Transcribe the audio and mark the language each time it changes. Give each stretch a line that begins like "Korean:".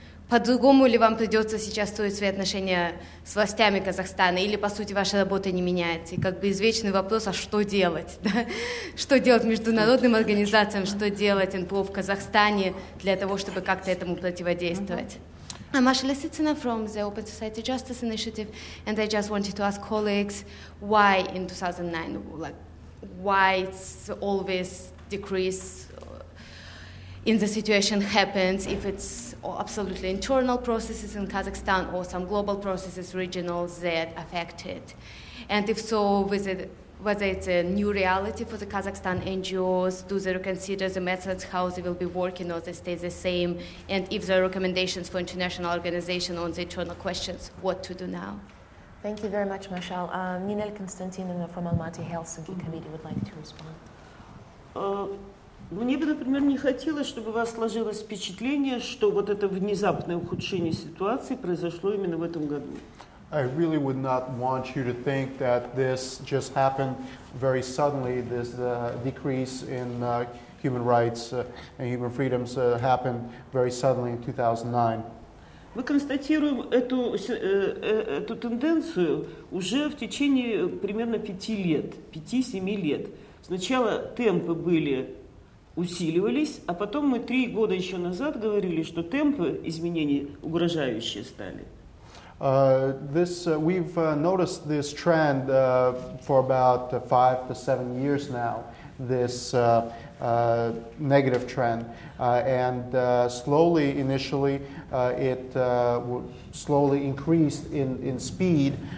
Russian: По-другому ли вам придется сейчас строить свои отношения с властями Казахстана? Или, по сути, ваша работа не меняется? И как бы извечный вопрос, а что делать? Да? Что делать международным организациям, что делать НПО в Казахстане для того, чтобы как-то этому противодействовать?
English: I'm Masha Lisitsina from the Open Society Justice Initiative, and I just wanted to ask colleagues why in 2009, like, why it's always decrease in the situation happens, if it's absolutely internal processes in Kazakhstan or some global processes, regional, that affect it. And if so, whether it's a new reality for the Kazakhstan NGOs, do they reconsider the methods, how they will be working, or they stay the same, and if there are recommendations for international organizations on the internal questions, what to do now? Thank you very much, Michelle. Ninel Konstantinovna from Almaty Helsinki Committee would like to respond.
Russian: Мне бы, например, не хотелось, чтобы у вас сложилось впечатление, что вот это внезапное ухудшение ситуации произошло именно в этом году.
English: I really would not want you to think that this just happened very suddenly, this decrease in human rights and human freedoms happened very suddenly in 2009.
Russian: Мы констатируем эту тенденцию уже в течение примерно 5-7 лет. Сначала темпы были усиливались, а потом мы 3 года еще назад говорили, что темпы изменений угрожающие стали.
English: We've noticed this trend for about 5 to 7 years now, this negative trend. And slowly, initially, it slowly increased in speed.